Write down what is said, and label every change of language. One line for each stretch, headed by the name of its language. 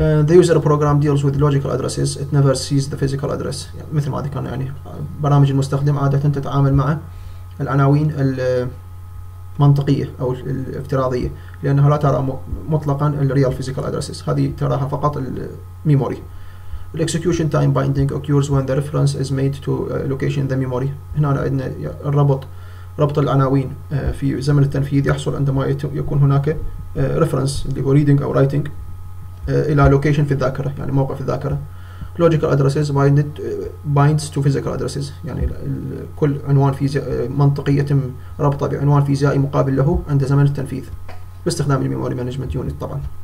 English: The user program deals with logical addresses. It never sees the physical address.
Arabic: يعني مثل ما ذكرنا يعني برامج المستخدم عادة تتعامل مع العناوين المنطقية أو الافتراضية لأنها لا ترى مطلقا الريال physical addresses. هذه تراها فقط الميموري.
English: The execution time binding occurs when the reference is made to location in the memory.
Arabic: هنا عندنا ربط العناوين في زمن التنفيذ يحصل عندما يكون هناك reference اللي هو reading أو writing إلى location في الذاكرة، يعني موقع في الذاكرة.
English: Logical addresses binds to physical addresses،
Arabic: يعني كل عنوان منطقي يتم ربطه بعنوان فيزيائي مقابل له عند زمن التنفيذ باستخدام الميموري management unit. طبعا